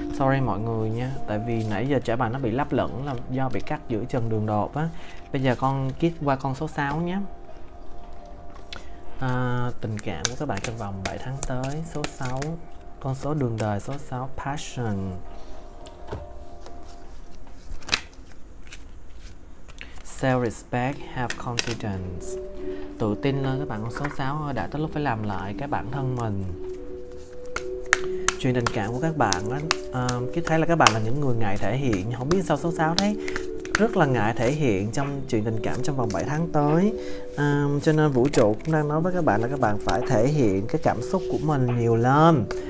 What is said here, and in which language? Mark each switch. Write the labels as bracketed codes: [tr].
[vi] Sorry mọi người nha, tại vì nãy giờ trả bài nó bị lấp lẫn là do bị cắt giữa chừng đường đột á. Bây giờ con Kit qua con số 6 nhé. Tình cảm của các bạn trong vòng 7 tháng tới. Số 6, con số đường đời số 6, passion. [en] Self-respect, have confidence. [vi] Tự tin lên các bạn, con số 6 đã tới lúc phải làm lại cái bản thân mình. Chuyện tình cảm của các bạn á, cứ thấy là các bạn là những người ngại thể hiện, không biết sao số 6 thấy rất là ngại thể hiện trong chuyện tình cảm trong vòng 7 tháng tới. Cho nên vũ trụ cũng đang nói với các bạn là các bạn phải thể hiện cái cảm xúc của mình nhiều lên.